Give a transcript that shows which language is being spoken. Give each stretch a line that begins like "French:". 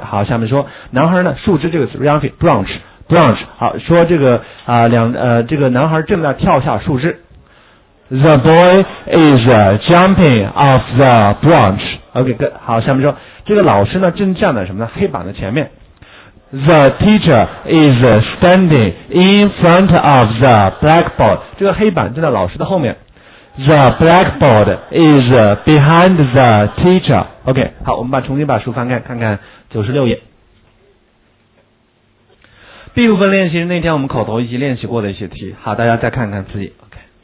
Chinese: 好，下面说，男孩呢，树枝这个词 ，branch。好，说这个这个男孩正在跳下树枝。
English: The boy is jumping off the branch. Okay, good.
Chinese: 好，下面说，这个老师呢，正站在什么呢？黑板的前面。
English: The teacher is standing in front of the blackboard.
Chinese: 这个黑板正在老师的后面。
English: The blackboard is behind the teacher.
Chinese: OK, 好，我们重新把书翻开，看看96页。 B 部分练习是那天我们口头已经练习过的一些题。好，大家再看看自己。OK。